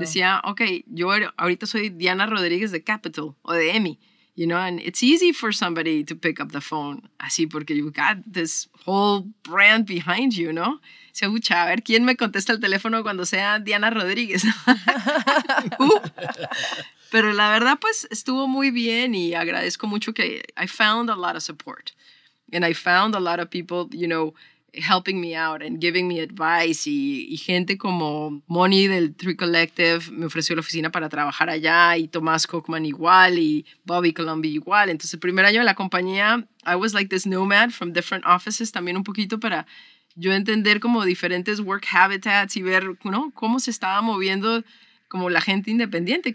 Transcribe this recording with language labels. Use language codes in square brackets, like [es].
[es] Decía, okay, yo ahorita soy Diana Rodríguez de Capitol o de Emmy, you know, [en] and it's easy for somebody to pick up the phone, [es] así porque [en] you've got this whole brand behind you, [es] ¿no? Se escucha, a ver, ¿quién me contesta el teléfono cuando sea Diana Rodríguez? Pero la verdad, pues, estuvo muy bien y agradezco mucho que [en] I found a lot of support. And I found a lot of people, you know, helping me out and giving me advice. [es] Y gente como Moni del Three Collective me ofreció la oficina para trabajar allá. Y Tomás Cookman igual. Y Bobby Columbia igual. Entonces, el primer año de la compañía, [en] I was like this nomad from different offices [es] también un poquito para yo entender como diferentes work habitats y ver, ¿no?, cómo se estaba moviendo como la gente independiente.